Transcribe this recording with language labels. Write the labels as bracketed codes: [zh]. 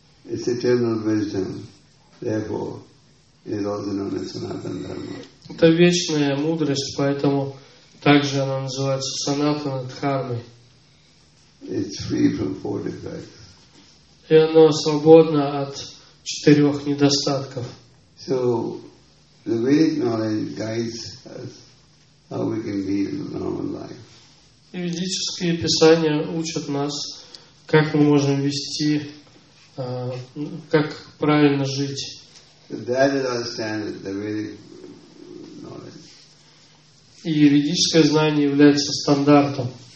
[en] It's eternal wisdom, therefore, it is also known as Sanatana Dharma. [ru] Это вечная мудрость, поэтому также она называется Санатана Дхармой. [en] It's free from four defects. [ru] И оно свободно от четырех недостатков. [en] So, the Vedic knowledge guides us how we can lead a normal life. [ru] И ведические писания учат нас, как мы можем вести, как правильно жить. [en] That is our standard, the Vedic knowledge. [ru] И ведическое знание является стандартом.